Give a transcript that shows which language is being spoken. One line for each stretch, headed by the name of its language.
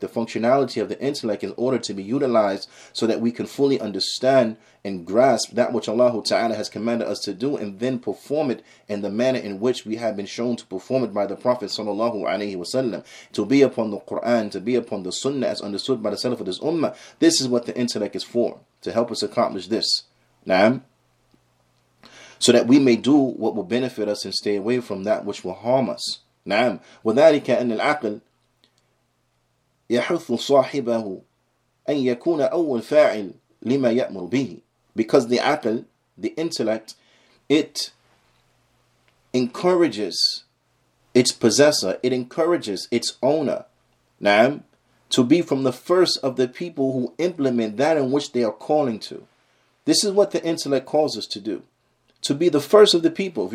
English: The functionality of the intellect is ordered to be utilized so that we can fully understand and grasp that which Allah Ta'ala has commanded us to do, and then perform it in the manner in which we have been shown to perform it by the Prophet Sallallahu Alaihi Wasallam. To be upon the Quran, to be upon the Sunnah as understood by the Salaf of this Ummah. This is what the intellect is for, to help us accomplish this. Naam. So that we may do what will benefit us and stay away from that which will harm us.
Arabic: نعم وذلك أن العقل يحث صاحبه أن يكون أول فاعل لما يأمر به.
English: Because the aql, the intellect, it encourages its possessor, it encourages its owner, نعم, to be from the first of the people who implement that in which they are calling to. This is what the intellect calls us to do, to be the first of the people.